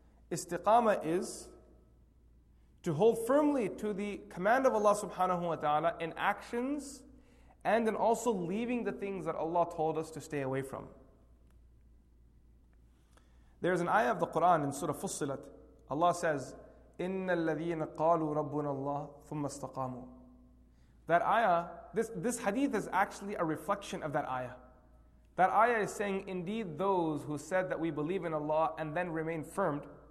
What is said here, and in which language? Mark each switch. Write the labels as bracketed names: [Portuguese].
[English] Istiqama is to hold firmly to the command of Allah subhanahu wa ta'ala in actions and in also leaving the things that Allah told us to stay away from. There is an ayah of the Quran in Surah Fussilat. Allah says, [Arabic] إِنَّ الَّذِينَ قَالُوا رَبُّنَ اللَّهِ ثُمَّ اسْتَقَامُوا. [English] That ayah, this hadith is actually a reflection of that ayah. That ayah is saying, indeed those who said that we believe in Allah and then remained firm.